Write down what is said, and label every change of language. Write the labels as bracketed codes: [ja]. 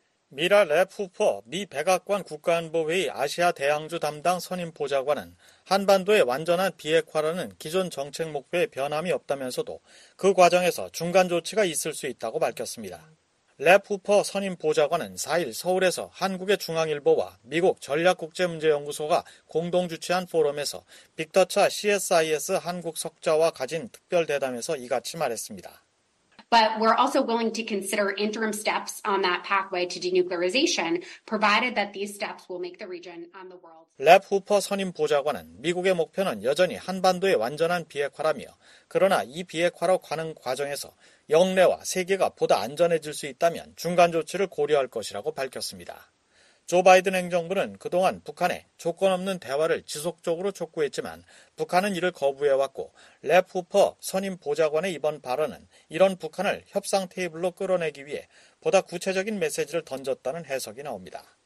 [ko] 미라 랩후퍼 미 백악관 국가안보회의 아시아 대양주 담당 선임 보좌관은 한반도의 완전한 비핵화라는 기존 정책 목표에 변함이 없다면서도 그 과정에서 중간 조치가 있을 수 있다고 밝혔습니다. 랩후퍼 선임 보좌관은 4일 서울에서 한국의 중앙일보와 미국 전략국제문제연구소가 공동 주최한 포럼에서 빅터차 CSIS 한국 석좌와 가진 특별 대담에서 이같이 말했습니다. [en] But we're also willing to consider interim steps on that pathway to denuclearization, provided that these steps will make the region on the world. [ko] 랩 후퍼 선임 보좌관은 미국의 목표는 여전히 한반도의 완전한 비핵화라며, 그러나 이 비핵화로 가는 과정에서 영내와 세계가 보다 안전해질 수 있다면 중간 조치를 고려할 것이라고 밝혔습니다. 조 바이든 행정부는 그동안 북한에 조건 없는 대화를 지속적으로 촉구했지만 북한은 이를 거부해왔고 랩 후퍼 선임 보좌관의 이번 발언은 이런 북한을 협상 테이블로 끌어내기 위해 보다 구체적인 메시지를 던졌다는 해석이 나옵니다.